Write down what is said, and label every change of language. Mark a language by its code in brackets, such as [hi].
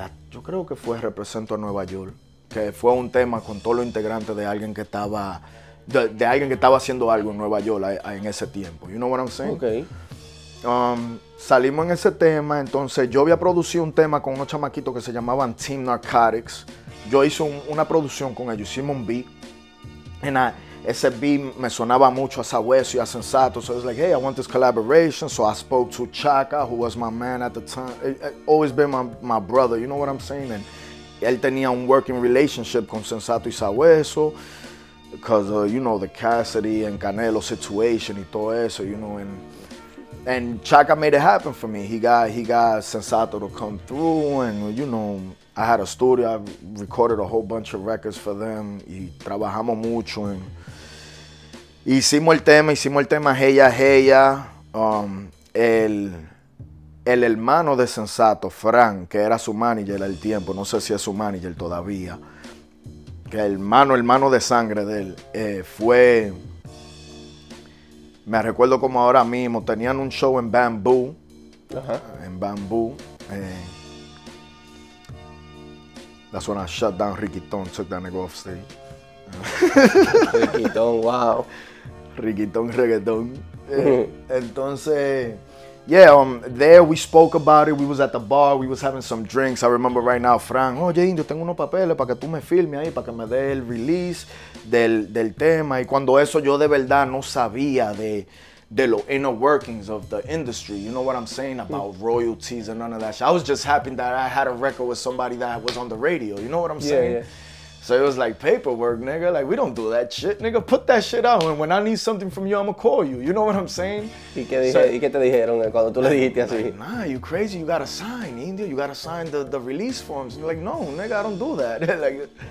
[es] Yo creo que fue Represento a Nueva York, que fue un tema con todos los integrantes de alguien que estaba de alguien que estaba haciendo algo en Nueva York en ese tiempo. [en] You know what I'm saying? Okay. [es] Salimos en ese tema, entonces yo había producido un tema con unos chamaquitos que se llamaban Team Narcotics. Yo hice una producción con ellos, hicimos un beat. Ese beat me sonaba mucho a Sabueso y a Sensato. [en] So I was like, hey, I want this collaboration. So I spoke to Chaka, who was my man at the time. Always been my brother, you know what I'm saying? [es] And él tenía un [en] working relationship [es] con Sensato y Sabueso. [en] Because, you know, the Cassidy and Canelo situation [es] y todo eso, [en] you know. And Chaka made it happen for me. He got Sensato to come through, and you know, I had a studio. I recorded a whole bunch of records for them. [es] Y trabajamos mucho. Hicimos el tema Heya. El hermano de Sensato, Frank, que era su manager al tiempo, no sé si es su manager todavía, que hermano de sangre de él, fue. Me recuerdo como ahora mismo, tenían un show en Bambú. Ajá. En Bambú. [en] That's when I shut down Ricky Tone, took that nigga off stage. Ricky Tone, wow. Ricky Tone, reggaeton. Entonces, yeah, there we spoke about it. We was at the bar, we was having some drinks. I remember right now, [es] Frank, oye, Indio, tengo unos papeles para que tú me filmes ahí, para que me dé el release. Del tema, y cuando eso yo de verdad no sabía de los [en] inner workings of the industry, you know what I'm saying, about royalties and none of that shit. I was just happy that I had a record with somebody that was on the radio, you know what I'm saying? Yeah. So it was like paperwork, nigga, like we don't do that shit, nigga, put that shit out, and when I need something from you, I'ma call you, you know what I'm saying? [es] ¿Y qué te dijeron cuando tú le dijiste así? [en] Like, nah, you crazy, you gotta sign, Indio, you gotta sign the release forms. You're like, no, nigga, I don't do that.